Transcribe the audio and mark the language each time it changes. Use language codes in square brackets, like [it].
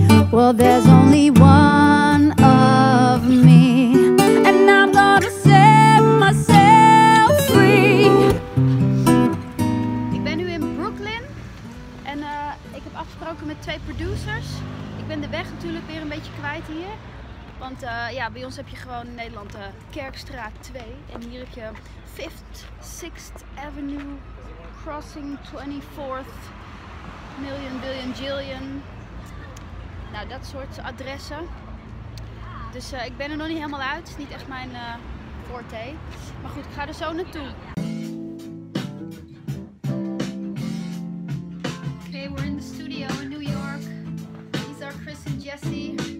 [en] Well, there's only one of me, and I'm gonna set myself free. [nl] Ik ben nu in Brooklyn en ik heb afgesproken met twee producers. Ik ben de weg natuurlijk weer een beetje kwijt hier. Want ja, bij ons heb je gewoon in Nederland Kerkstraat 2. En hier heb je 5th, 6th Avenue, Crossing 24th, Million, Billion, Jillion. Nou, dat soort adressen. Dus ik ben er nog niet helemaal uit. Het is niet echt mijn forte. Maar goed, ik ga er zo naartoe. [en] Okay, we're in the studio in New York. These are Chris and Jessie.